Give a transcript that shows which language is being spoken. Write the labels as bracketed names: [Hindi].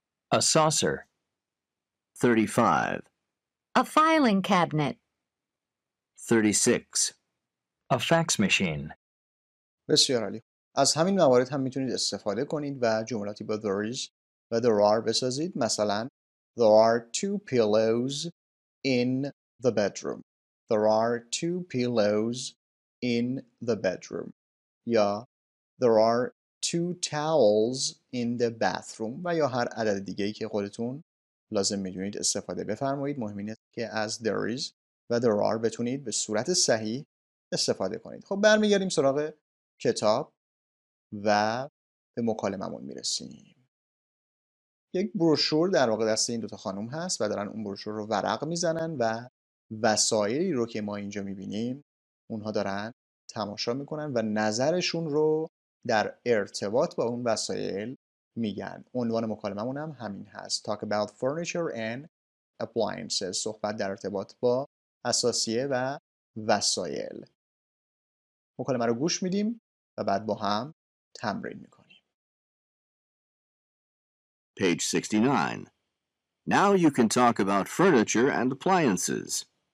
[English] A saucer. 35. A filing cabinet. 36. A fax machine. [Persian] بسیار عالی. از همین موارد هم میتونید استفاده کنید و جملاتی با there is و there are بسازید. مثلا [English] there are two pillows in the bedroom. There are two pillows in the bedroom. [Persian] یا [English] there are two towels in the bathroom. [Persian] و یا هر عدد دیگه ای که خودتون لازم میدونید استفاده بفرمایید. مهم اینه که از there is و there are بتونید به صورت صحیح استفاده کنید. خب برمیگردیم سراغ کتاب و به مکالممون میرسیم. یک بروشور در واقع دست این دوتا خانم هست و دارن اون بروشور رو ورق میزنن و وسایلی رو که ما اینجا میبینیم اونها دارن تماشا میکنن و نظرشون رو در ارتباط با اون وسایل میگن. عنوان مکالممون هم همین هست. [English] Talk about furniture and appliances. [Persian] صحبت در ارتباط با اساسیه و وسایل. مکالمه رو گوش میدیم و بعد با هم تمرین میکنیم. [English] Page 69. Now you can talk about furniture and appliances.